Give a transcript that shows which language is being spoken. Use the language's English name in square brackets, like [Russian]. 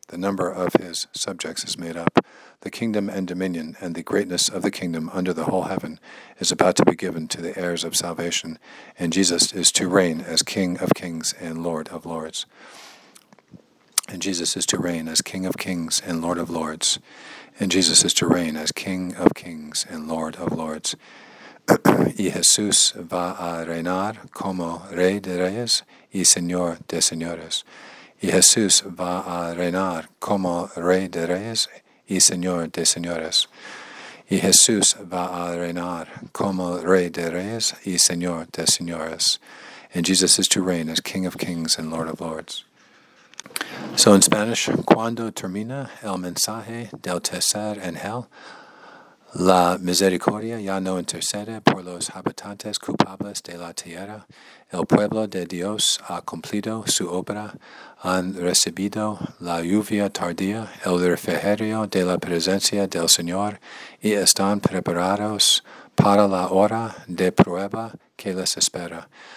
[English] The number of his subjects is made up. The kingdom and dominion and the greatness of the kingdom under the whole heaven is about to be given to the heirs of salvation, and Jesus is to reign as King of kings and Lord of lords. And Jesus is to reign as King of kings and Lord of lords. And Jesus is to reign as King of kings and Lord of lords. [Spanish] Y Jesús va a reinar como Rey de Reyes y Señor de Señores. Y Jesús va a reinar como Rey de Reyes y Señor de Señores. Y Jesús va a reinar como Rey de Reyes y Señor de Señores. [English] And Jesus is to reign as King of kings and Lord of lords. So in Spanish, [Spanish] cuando termina el mensaje del tercer ángel, la misericordia ya no intercede por los habitantes culpables de la tierra. El pueblo de Dios ha cumplido su obra. Han recibido la lluvia tardía, el refrigerio de la presencia del Señor, y están preparados para la hora de prueba que les espera.